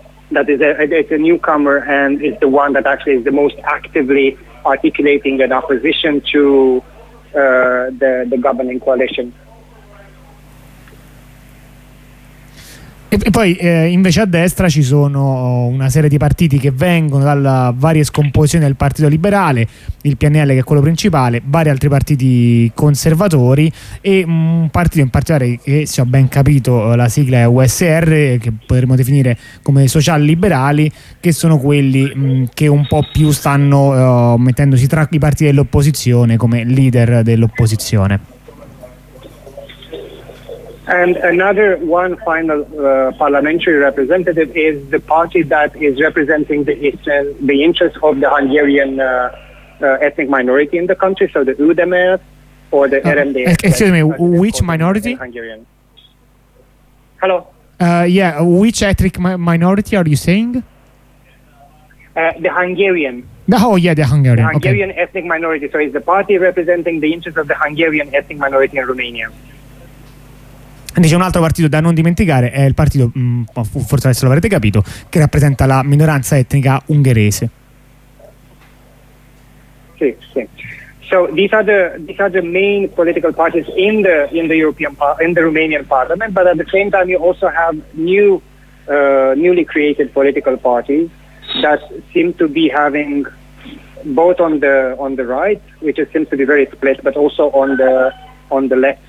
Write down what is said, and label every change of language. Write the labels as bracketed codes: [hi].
[en] That is it's a newcomer and is the one that actually is the most actively articulating an opposition to the governing coalition. [it] E poi invece a destra ci sono una serie di partiti che vengono dalla varie scomposizioni del Partito Liberale, il PNL che è quello principale, vari altri partiti conservatori e un partito in particolare che, se ho ben capito, la sigla è USR, che potremmo definire come social liberali, che sono quelli che un po' più stanno mettendosi tra i partiti dell'opposizione come leader dell'opposizione. [en] And another one final parliamentary representative is the party that is representing the eastern, the interests of the Hungarian ethnic minority in the country, so the UDMS or the RMDS. Excuse me, which minority? Hungarian. Hello? Which ethnic minority are you saying? The Hungarian. The Hungarian okay. Ethnic minority. So it's the party representing the interests of the Hungarian ethnic minority in Romania. [it] Quindi c'è un altro partito da non dimenticare, è il partito, forse adesso l'avrete capito, che rappresenta la minoranza etnica ungherese. Sì, sì. [en] So these are the main political parties in the Romanian Parliament, but at the same time you also have newly created political parties that seem to be having both on the right, which seems to be very split, but also on the left.